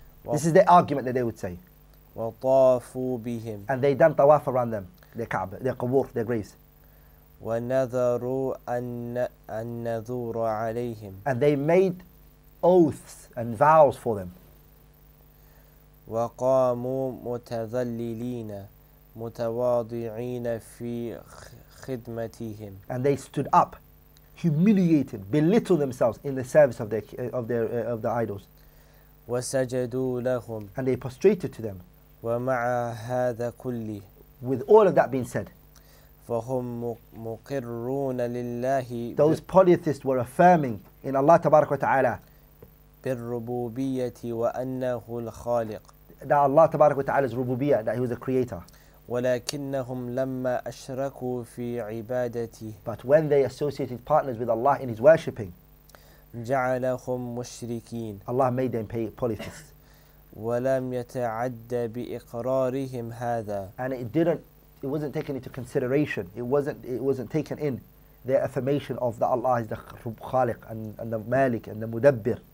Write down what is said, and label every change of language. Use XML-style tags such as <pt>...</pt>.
<en>This is the argument that they would say.</en> <ar>وطافوا بهم.</ar> <en>And they done tawaf around them, their كعبة, their قبور, their graves.</en> <ar>ونذروا النذور عليهم.</ar> <en>And they made oaths and vows for them.</en> <ar>وقاموا متذللين متواضعين في خدمتهم.</ar> <en>And they stood up, humiliated, belittled themselves in the service of their idols.</en> <ar>وسجدوا لهم.</ar> <en>And they prostrated to them.</en> <ar>ومع هذا كله.</ar> <en>With all of that being said.</en> <ar>فهم مقرون لله.</ar> <en>Those polytheists were affirming in Allah تبارك وتعالى.</en> <ar>بالربوبية وأنه الخالق.</ar> <en>That Allah تبارك وتعالى is rububiyyah, that He was the Creator.</en> <ar>ولكنهم لما أشركوا في عبادته.</ar> <en>But when they associated partners with Allah in His worshipping.</en> <ar>جعلهم مشركين.</ar> <en>Allah made them pay polytheists.</en> <ar>ولم يتعد بإقرارهم هذا.</ar> <en>And it wasn't taken into consideration. It wasn't taken in their affirmation of that Allah is the Khaliq and the Malik and the Mudabbir.</en>